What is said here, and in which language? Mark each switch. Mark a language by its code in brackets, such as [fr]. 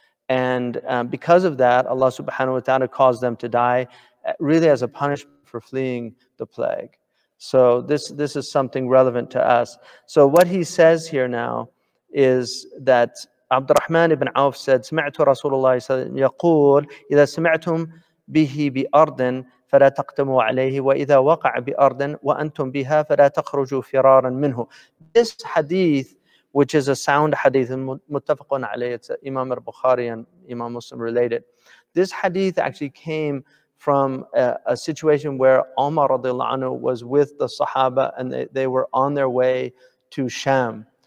[en] And because of that, Allah subhanahu wa ta'ala caused them to die, really as a punishment for fleeing the plague. So this is something relevant to us. So what he says here now is that Abdurrahman ibn Auf said, [ar] سمعت رسول الله يقول إذا سمعتم به بأرض فلا تقدموا عليه وإذا وقع بأرض وأنتم بها فلا تخرجوا فرارا منه. [en] This hadith, which is a sound hadith, متفق عليه, it's Imam al-Bukhari and Imam Muslim related. This hadith actually came from a situation where Umar radiallahu anhu was with the Sahaba and they were on their way to Sham.